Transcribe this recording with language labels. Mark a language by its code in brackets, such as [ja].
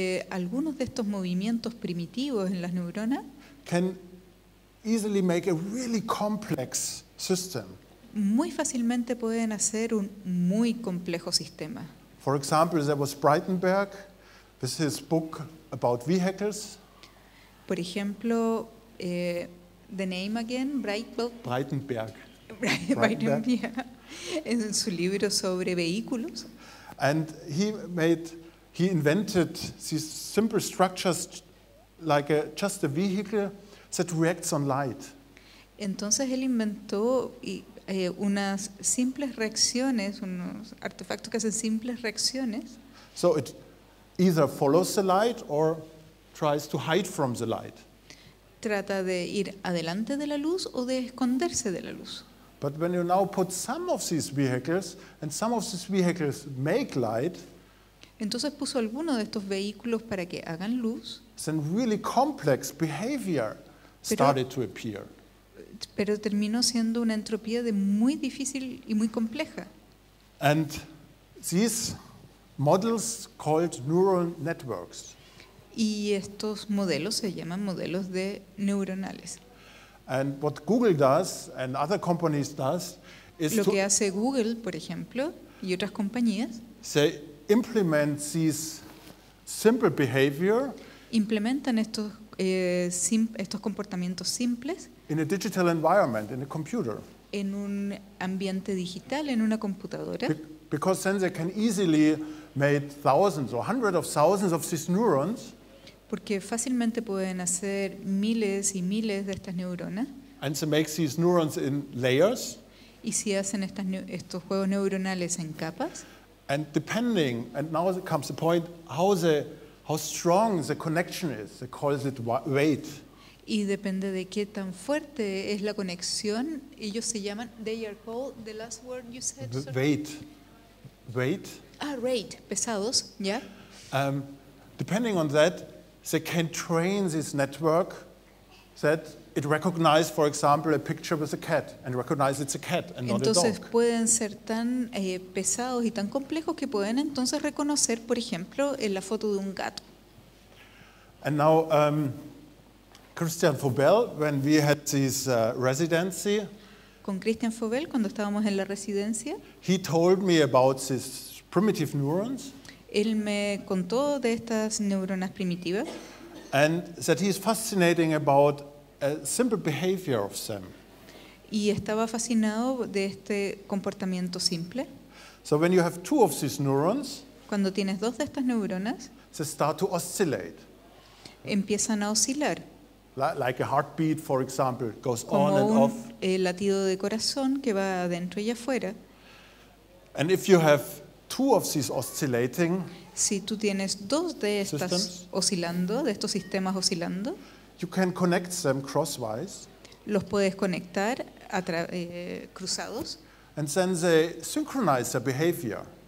[es] Algunos de estos movimientos primitivos en las neuronas [en] can easily make a really complex system. [es] Muy fácilmente pueden hacer un muy complejo sistema. [en] For example, there was Breitenberg with his book about vehicles. [es] Por ejemplo, [en] the name again, Breitenberg. [es] Breitenberg. En su libro sobre vehículos. [en] And he invented these simple structures like just a vehicle that reacts on light. [es] Entonces él inventó unas simples reacciones, unos artefactos que hacen simples reacciones. [en] So it either follows the light or tries to hide from the light. [es] Trata de ir adelante de la luz o de esconderse de la luz. [en] But when you now put some of these vehicles and some of these vehicles make light, [es] entonces puso alguno de estos vehículos para que hagan luz, [en] then really complex behavior started to appear. [es] Pero terminó siendo una entropía de muy difícil y muy compleja. [en] And these models called neural networks. [es] Y estos modelos se llaman modelos de neuronales. [en] And what Google does and other companies does is [es] lo que hace Google, por ejemplo, y otras compañías, [en] they implement these simple behavior [es] implementan estos estos comportamientos simples [en] in a digital environment, in a computer. [es] En un ambiente digital, en una computadora. [en] Because then they can easily made thousands or hundreds of thousands of these neurons. [es] Porque fácilmente pueden hacer miles y miles de estas neuronas. [en] And to make these neurons in layers. [es] Y si hacen estos juegos neuronales en capas. [en] And depending, and now comes the point, how strong the connection is, they call it weight. [es] Y depende de qué tan fuerte es la conexión, ellos se llaman, [en] they are called, the last word you said. Weight. [es] Ah, rate, pesados, yeah. [en] Depending on that, they can train this network that it recognizes, for example, a picture with a cat and recognizes it's a cat and not [es] entonces, [en] a dog. [es] Pueden ser tan pesados y tan complejos que pueden entonces reconocer, por ejemplo, en la foto de un gato. [en] And now, Christian Fobel, when we had this residency, [es] con Christian Fobel, cuando estábamos en la residencia, [en] he told me about these primitive neurons. [es] Él me contó de estas neuronas primitivas. [en] And that he is fascinating about a simple behavior of them. [es] Y estaba fascinado de este comportamiento simple. [en] So when you have two of these neurons, [es] cuando tienes dos de estas neuronas, [en] they start to oscillate. [es] Empiezan a oscilar. [en] Like a heartbeat, for example, goes [es] como [en] on and off. [es] El latido de corazón que va adentro y afuera. [en] And if you have two of these oscillating, [es] si tú tienes dos de estas oscilando, de estos sistemas oscilando, [en] you can connect them crosswise. [es] Los puedes conectar cruzados. [en] And then they synchronize their behavior.